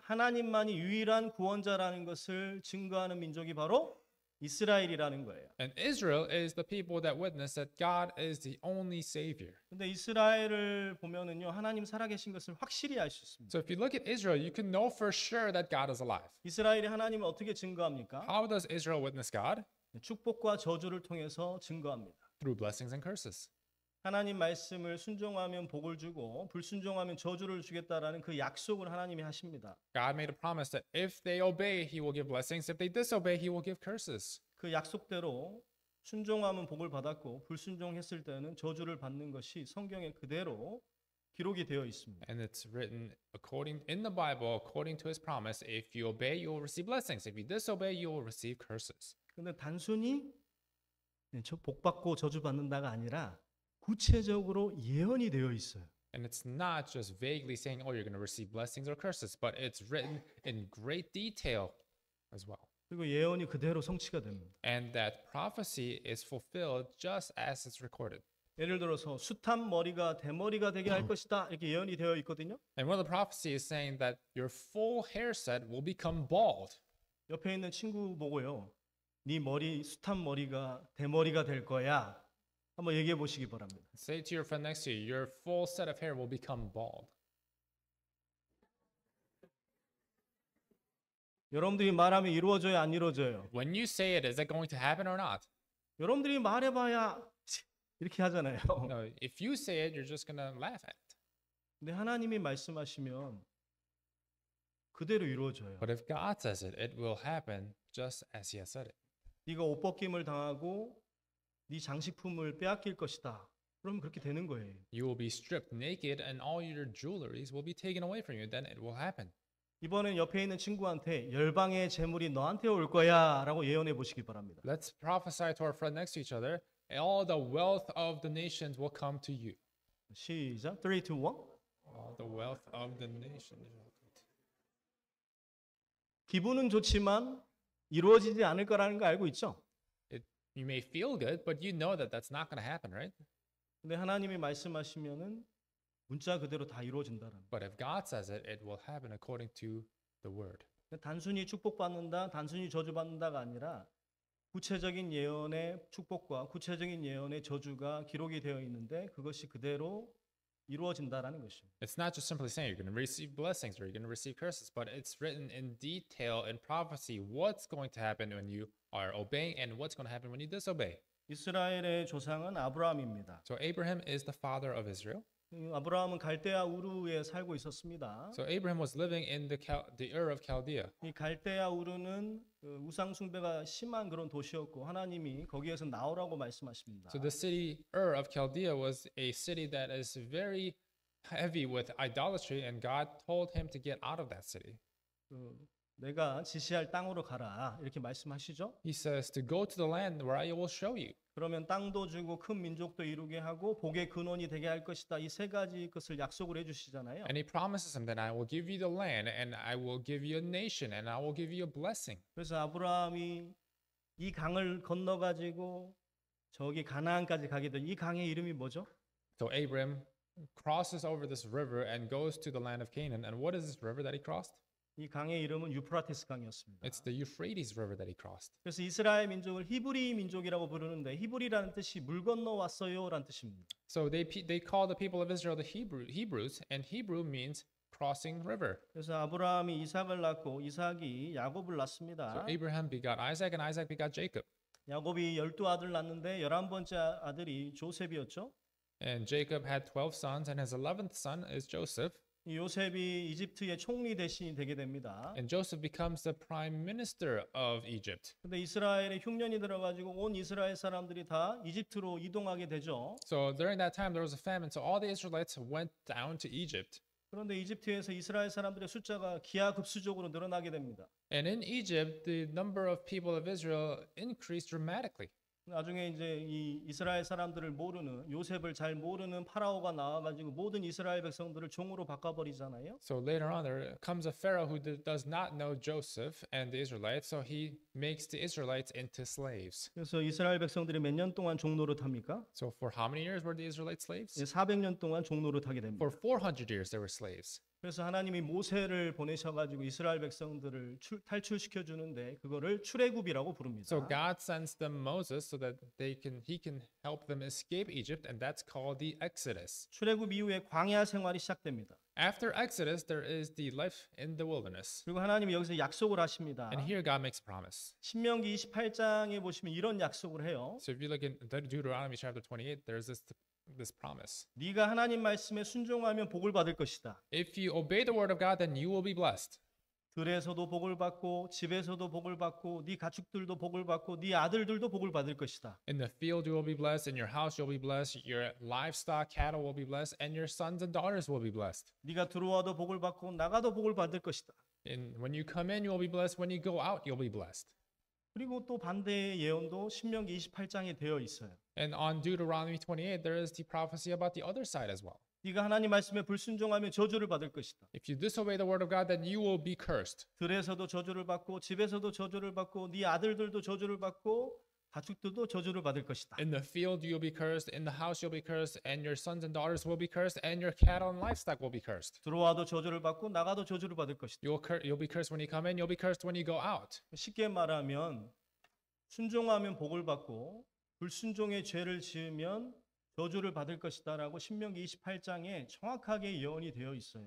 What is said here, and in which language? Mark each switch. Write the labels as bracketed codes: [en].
[ko] 하나님만이 유일한 구원자라는 것을 증거하는 민족이 바로 이스라엘이라는 거예요. [en] And Israel is the people that witness that God is the only savior. [ko] 근데 이스라엘을 보면은요, 하나님 살아계신 것을 확실히 알 수 있습니다. [en] So if you look at Israel, you can know for sure that God is alive. [ko] 이스라엘이 하나님을 어떻게 증거합니까? [en] How does Israel witness God? [ko] 축복과 저주를 통해서 증거합니다. [en] Through blessings and curses. [ko] 하나님 말씀을 순종하면 복을 주고 불순종하면 저주를 주겠다라는 그 약속을 하나님이 하십니다. [en] God made a promise that if they obey, he will give blessings. If they disobey, he will give curses. [ko] 그 약속대로 순종함은 복을 받았고 불순종했을 때는 저주를 받는 것이 성경에 그대로 기록이 되어 있습니다. [en] And it's written according in the Bible according to his promise. If you obey, you will receive blessings. If you disobey, you will receive curses. [ko] 근데 단순히 저 복 받고 저주 받는다가 아니라 구체적으로 예언이 되어 있어요. [en] And it's not just vaguely saying, "Oh, you're going to receive blessings or curses," but it's written in great detail as well. [ko] 그리고 예언이 그대로 성취가 됩니다. [en] And that prophecy is fulfilled just as it's recorded. [ko] 예를 들어서 숱한 머리가 대머리가 되게 할 것이다 이렇게 예언이 되어 있거든요. [en] And one of the prophecy is saying that your full hair set will become bald. [ko] 옆에 있는 친구 보고요, 네 머리 숱한 머리가 대머리가 될 거야. 한번 얘기해 보시기 바랍니다. [en] Say to your friend next to you, your full set of hair will become bald. [ko] 여러분들이 말하면 이루어져요, 안 이루어져요? [en] When you say it, is it going to happen or not? [ko] 여러분들이 말해봐야 이렇게 하잖아요. [en] No, if you say it, you're just going to laugh at it. [ko] 근데 하나님이 말씀하시면 그대로 이루어져요. [en] But if God says it, it will happen just as He has said it. [ko] 네가 옷 벗김을 당하고 네 장식품을 빼앗길 것이다. 그럼 그렇게 되는 거예요. [en] You will be stripped naked and all your jewelries will be taken away from you. Then it will happen. [ko] 이번엔 옆에 있는 친구한테 열방의 재물이 너한테 올 거야 라고 예언해 보시기 바랍니다. [en] Let's prophesy to our friend next to each other. All the wealth of the nations will come to you. [ko] 시작. 3, 2, 1. [en] All the wealth of the nations. [ko] 기분은 좋지만 이루어지지 않을 거라는 거 알고 있죠? [en] You may feel good, but you know that that's not going to happen, right? [ko] 근데 하나님이 말씀하시면은 문자 그대로 다 이루어진다라는. [en] But if God says it, it will happen according to the word. [ko] 단순히 축복받는다, 단순히 저주받는다가 아니라 구체적인 예언의 축복과 구체적인 예언의 저주가 기록이 되어 있는데 그것이 그대로 이루어진다라는 것입니다. [en] It's not just simply saying you're going to receive blessings or you're going to receive curses, but it's written in detail in prophecy what's going to happen when you are obeying and what's going to happen when you disobey. [ko] 이스라엘의 조상은 아브라함입니다. [en] So Abraham is the father of Israel. [ko] 아브라함은 갈대아 우르에 살고 있었습니다. [en] So Abraham was living in the Ur of Chaldea. [ko] 이 갈대아 우르는 우상 숭배가 심한 그런 도시였고 하나님이 거기에서 나오라고 말씀하십니다. [en] So the city Ur of Chaldea was a city that is very heavy with idolatry and God told him to get out of that city. [ko] 내가 지시할 땅으로 가라 이렇게 말씀하시죠. [en] He says to go to the land where I will show you. [ko] 그러면 땅도 주고 큰 민족도 이루게 하고 복의 근원이 되게 할 것이다. 이 세 가지 것을 약속을 해주시잖아요. [en] And he promises him that I will give you the land and I will give you a nation and I will give you a blessing. [ko] 그래서 아브라함이 이 강을 건너가지고 저기 가나안까지 가게 된 이 강의 이름이 뭐죠? [en] So Abraham crosses over this river and goes to the land of Canaan. And what is this river that he crossed? [ko] 이 강의 이름은 유프라테스 강이었습니다. [en] It's the Euphrates River that he crossed. [ko] 그래서 이스라엘 민족을 히브리 민족이라고 부르는데 히브리라는 뜻이 물 건너 왔어요라는 뜻입니다. [en] So they call the people of Israel the Hebrews and Hebrew means crossing river. [ko] 그래서 아브라함이 이삭을 낳고 이삭이 야곱을 낳습니다. [en] So Abraham begot Isaac and Isaac begot Jacob. [ko] 야곱이 12 아들 낳는데 11번째 아들이 조셉이었죠. [en] And Jacob had 12 sons and his 11th son is Joseph. [ko] 요셉이 이집트의 총리 대신이 되게 됩니다. [en] And Joseph becomes the prime minister of Egypt. [ko] 근데 이스라엘의 흉년이 들어가지고 온 이스라엘 사람들이 다 이집트로 이동하게 되죠. [en] So during that time there was a famine, so all the Israelites went down to Egypt. [ko] 그런데 이집트에서 이스라엘 사람들의 숫자가 기하급수적으로 늘어나게 됩니다. [en] And in Egypt, the number of people of Israel increased dramatically. [ko] 나중에 이제 이 이스라엘 사람들을 모르는 요셉을 잘 모르는 파라오가 나와가지고 모든 이스라엘 백성들을 종으로 바꿔버리잖아요. [en] So later on, there comes a pharaoh who does not know Joseph and the Israelites, so he makes the Israelites into slaves. [ko] 그래서 이스라엘 백성들이 몇 년 동안 종노릇 합니까? [en] So for how many years were the Israelites slaves? [ko] 400년 동안 종노릇 하게 됩니다. [en] For 400 years, they were slaves. [ko] 그래서 하나님이 모세를 보내셔가지고 이스라엘 백성들을 탈출시켜 주는데 그거를 출애굽이라고 부릅니다. [en] So God sends them Moses so that he can help them escape Egypt, and that's called the Exodus. [ko] 출애굽 이후에 광야 생활이 시작됩니다. [en] After Exodus, there is the life in the wilderness. [ko] 그리고 하나님이 여기서 약속을 하십니다. [en] And here God makes a promise. [ko] 신명기 28장에 보시면 이런 약속을 해요. [en] So if you look in Deuteronomy chapter 28, there's this promise. [ko] 네가 하나님 말씀에 순종하면 복을 받을 것이다. [en] If you obey the word of God, then you will be blessed. [ko] 들에서도 복을 받고 집에서도 복을 받고 네 가축들도 복을 받고 네 아들들도 복을 받을 것이다. [en] In the field you will be blessed, in your house you'll be blessed, your livestock, cattle will be blessed, and your sons and daughters will be blessed. [ko] 네가 들어와도 복을 받고 나가도 복을 받을 것이다. [en] And when you come in you'll be blessed, when you go out you'll be blessed. [ko] 그리고 또 반대의 예언도 신명기 28장에 되어 있어요. [en] And on Deuteronomy 28 there is the prophecy about the other side as well. [ko] 네가 하나님 말씀에 불순종하면 저주를 받을 것이다. [en] If you disobey the word of God, then you will be cursed. [ko] 들에서도 저주를 받고 집에서도 저주를 받고 네 아들들도 저주를 받고 가축들도 저주를 받을 것이다. [en] In the field you will be cursed, in the house you will be cursed, and your sons and daughters will be cursed, and your cattle and livestock will be cursed. [ko] 들어와도 저주를 받고 나가도 저주를 받을 것이다. [en] You'll be cursed when you come in, you'll be cursed when you go out. [ko] 쉽게 말하면 순종하면 복을 받고 불순종의 죄를 지으면 저주를 받을 것이다라고 신명기 28장에 정확하게 예언이 되어 있어요.